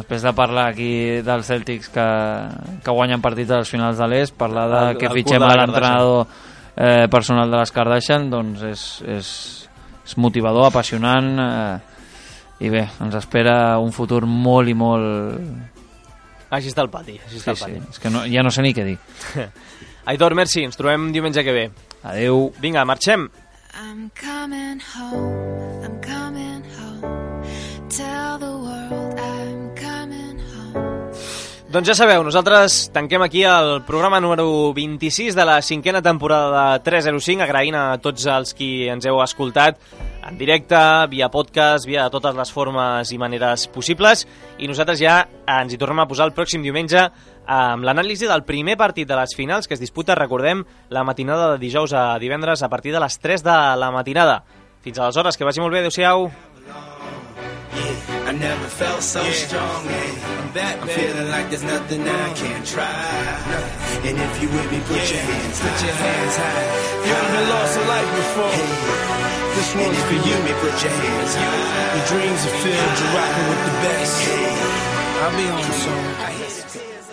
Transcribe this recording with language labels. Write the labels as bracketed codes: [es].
[ca] Després de parlar aquí dels Celtics que guanyen partits a les finals de l'est, parlar de que fitxem a l'entrenador personal de les Kardashian, doncs és motivador, apassionant, i bé, ens espera un futur molt i molt... Així està el pati, així està, sí, el pati. Sí. És que no, ja no sé ni què dir. Aitor, merci, ens trobem diumenge que ve. Adéu. Vinga, marxem. [en] I'm coming home, I'm coming home. Tell the world I'm coming home. [ca] Doncs ja sabeu, nosaltres tanquem aquí el programa número 26 de la cinquena temporada de 305, agraint a tots els qui ens heu escoltat en directe, via podcast, via totes les formes i maneres possibles, i nosaltres ja ens hi tornem a posar el pròxim diumenge amb l'anàlisi del primer partit de les finals que es disputa, recordem, la matinada de dijous a divendres a partir de les 3 de la matinada. Fins aleshores, que vagi molt bé, adéu-siau! [en] I never felt so strong, and I'm feeling like there's nothing I can't try. And if you with me, put your hands high. You haven't lost a life before. Hey. This one is for you, me, put your hands high. Your dreams are filled, you're rocking with the best. Hey. I'll be on soon.